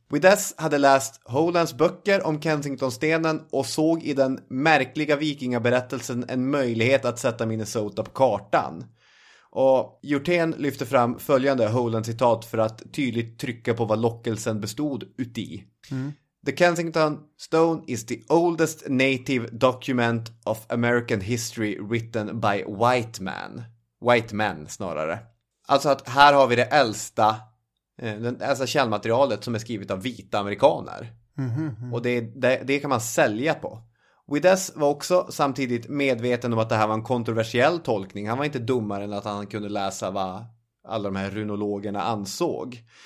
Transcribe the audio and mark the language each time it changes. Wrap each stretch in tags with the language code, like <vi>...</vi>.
<sv>Widess hade läst Holands böcker om Kensingtonstenen och såg i den märkliga vikingaberättelsen en möjlighet att sätta Minnesota på kartan. Och Jurten lyfte fram följande Holands citat för att tydligt trycka på vad lockelsen bestod uti.</sv> <en>The Kensington Stone is the oldest native document of American history written by white man. White men</en> <sv>snarare. Alltså att här har vi det äldsta, alltså källmaterialet som är skrivet av vita amerikaner. Mm-hmm. Och det kan man sälja på. Widess var också samtidigt medveten om att det här var en kontroversiell tolkning. Han var inte dummare än att han kunde läsa vad alla de här runologerna ansåg.</sv>